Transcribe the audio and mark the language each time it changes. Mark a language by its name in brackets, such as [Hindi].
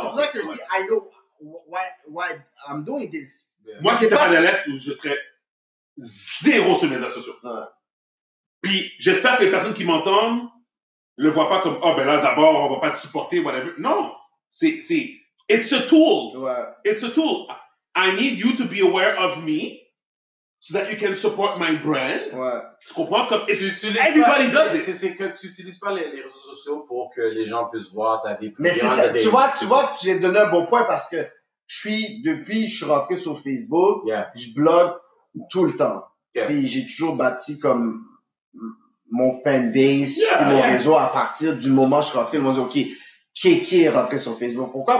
[French] C'est pour ça que si [English] I know why I'm doing this. [French] Moi, si c'était pas de l'Est, je serais zéro sur les réseaux sociaux. Puis, j'espère que les personnes qui m'entendent le voient pas comme, oh, ben là, d'abord, on va pas te supporter, whatever. Non. C'est, [English] it's a tool. [French] Ouais. [English] It's a tool. I need you to be aware of me so that you can support my brand. [French] Ouais. Tu comprends? Comme, [English] everybody does it. [French] C'est que tu n'utilises pas les réseaux sociaux pour que les gens puissent voir ta vie. Mais c'est ça. Tu vois, tu as donné un bon point parce que depuis je suis rentré sur Facebook, je blogue tout le temps. [English] Yeah. [French] Puis j'ai toujours bâti comme mon fanbase, mon réseau à partir du moment où je suis rentré. Ils m'ont dit, OK, Kéké est rentré sur Facebook. Pourquoi?